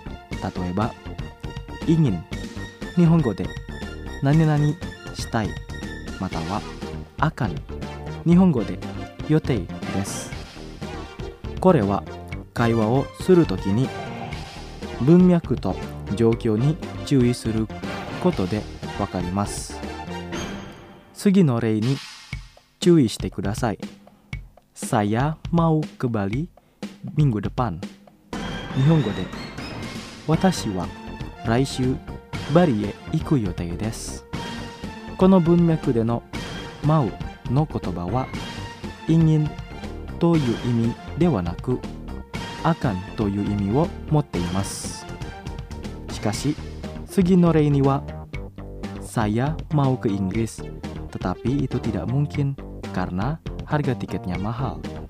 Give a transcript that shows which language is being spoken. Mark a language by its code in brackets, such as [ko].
[ja] 例えばイギン、日本語で何々したい、またはアカン、日本語で予定です。これは会話をするときに文脈と状況に注意することでわかります。次の例に注意してください。 [id] Saya mau ke Bali minggu depan. [ja] 日本語で私は来週バリへ行く予定です。この文脈での mau の言葉は ingin という意味ではなく akan という意味を持っています。しかし次の例には [id] Saya mau ke Inggris. Tetapi itu tidak mungkin karena harga tiketnya mahal.